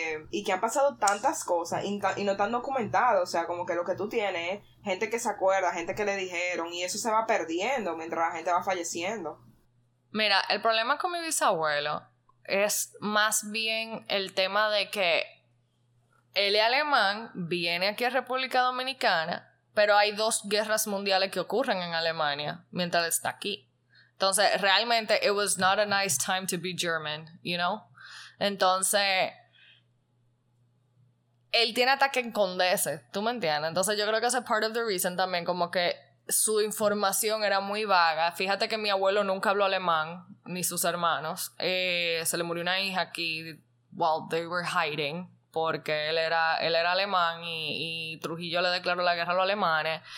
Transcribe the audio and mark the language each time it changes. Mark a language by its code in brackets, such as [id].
[es] Y que han pasado tantas cosas y no están documentados, o sea, como que lo que tú tienes es gente que se acuerda, gente que le dijeron, y eso se va perdiendo mientras la gente va falleciendo. Mira, el problema con mi bisabuelo es más bien el tema de que él es alemán, viene aquí a República Dominicana, pero hay dos guerras mundiales que ocurren en Alemania mientras está aquí. Entonces, realmente, [en] it was not a nice time to be German, you know? [es] Entonces, él tiene ataque en Condese, ¿tú me entiendes? Entonces, yo creo que ese es [en] part of the reason [es] también, como que su información era muy vaga. Fíjate que mi abuelo nunca habló alemán, ni sus hermanos. Se le murió una hija aquí [en] while they were hiding, [es] porque él era alemán y Trujillo le declaró la guerra a los alemanes.